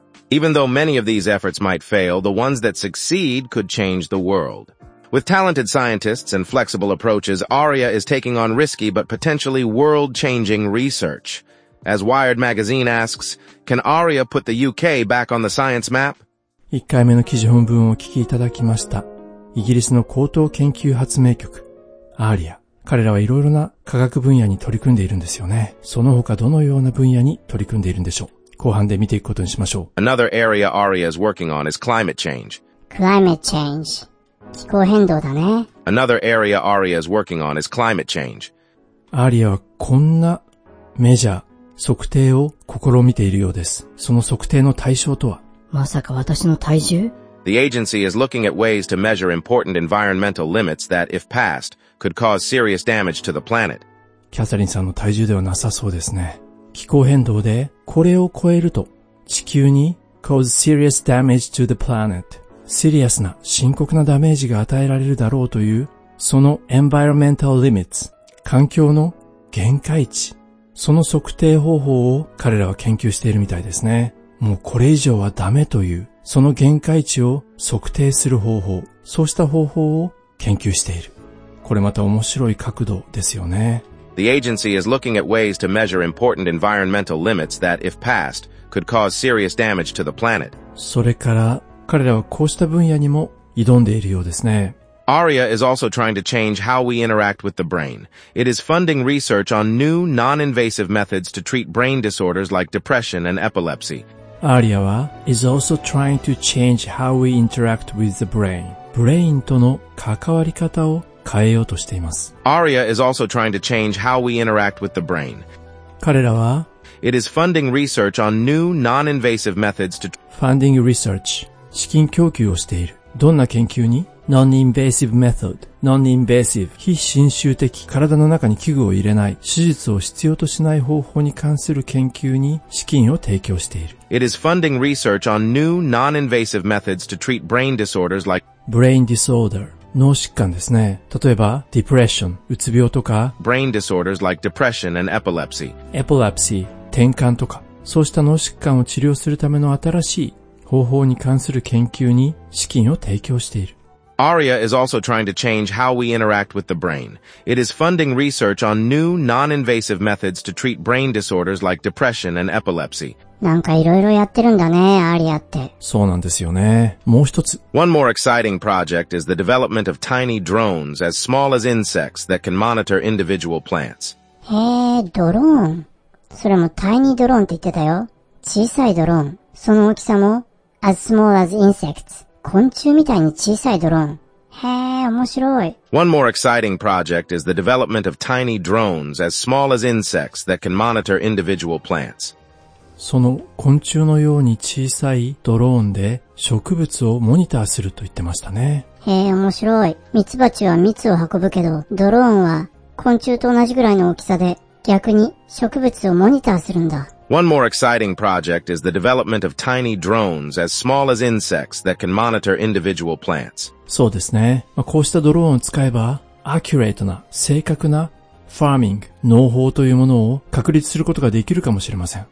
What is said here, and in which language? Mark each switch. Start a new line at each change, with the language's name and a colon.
English: Even though many of these efforts might fail, the ones that succeed could change the world. With talented scientists and flexible approaches, Aria is taking on risky but potentially world-changing research. As Wired magazine asks, can Aria put the UK back on the science map?
Japanese: 1回目の記事本文をお聞きいただきました。イギリスの高等研究発明局、Aria。彼らはいろいろな科学分野に取り組んでいるんですよね。その他どのような分野に取り組んでいるんでしょう。後半で見ていくことにしましょう。
English: Another area Aria is working on is climate change. Climate change.
Japanese: 気候変動だね。
English: Another area Aria is working on is climate change.
Japanese: Aria はこんなメジャー測定を試みているようです。その測定の対象とは？まさか私の体重？
English: The agency is looking at ways to measure important environmental limits that, if passed, could cause serious damage to the planet.
Japanese: キャサリンさんの体重ではなさそうですね。気候変動でこれを超えると地球に
English: cause serious damage to the planet.
Japanese: シリアスな深刻なダメージが与えられるだろうというその
English: environmental limits
Japanese: 環境の限界値その測定方法を彼らは研究しているみたいですね。もうこれ以上はダメというその限界値を測定する方法そうした方法を研究している。これまた面白い角度ですよね。
English: The agency is looking at ways to measure important environmental limits that, if passed, could cause serious damage to the planet.
Japanese: それから、彼らはこうした分野にも挑んでいるようですね。
English: Aria is also trying to change how we interact with the brain. It is funding research on new, non-invasive methods to treat brain disorders like depression and epilepsy. Aria は is also trying to change how we interact with the brain.
Japanese: ブレインとの関わり方を変えようとしています。
English: Aria is also trying to change how we interact with the brain.
Japanese: 彼らは
English: It is funding research on new non-invasive methods to funding research
Japanese: 資金供給をしている。どんな研究に
English: Non-invasive method Non-invasive
Japanese: 非侵襲的体の中に器具を入れない手術を必要としない方法に関する研究に資金を提供している。
English: It is funding research on new non-invasive methods to treat brain disorders like brain disorder
Japanese: 脳疾患ですね。例えば、
English: depression、
Japanese: うつ病とか、
English: brain disorders like depression and epilepsy。 epilepsy、
Japanese: 転換とか、そうした脳疾患を治療するための新しい方法に関する研究に資金を提供している。
English: Aria is also trying to change how we interact with the brain. It is funding research on new non-invasive methods to treat brain disorders like depression and epilepsy.
Japanese: なんかいろいろやってるんだね、Aria って。そうなんですよね。もう一つ。
English: One more exciting project is the development of tiny drones as small as insects that can monitor individual plants.
Japanese: へぇ、ドローン。それも
English: tiny drone
Japanese: って言ってたよ。小さいドローン。その大きさも
English: as small as insects.
Japanese: 昆虫みたいに小さいドローン。へえ、面白い。
English: One more exciting project is the development of tiny drones as small as insects that can monitor individual plants.
Japanese: その昆虫のように小さいドローンで植物をモニターすると言ってましたね。へえ、面白い。ミツバチは蜜を運ぶけど、ドローンは昆虫と同じぐらいの大きさで逆に植物をモニターするんだ。
English: One more exciting project is the development of tiny drones as small as insects that can monitor individual plants.
Japanese: そうですね。まあ、こうしたドローンを使えば、アキュレートな、正確な、ファーミング、農法というものを確立することができるかもしれません。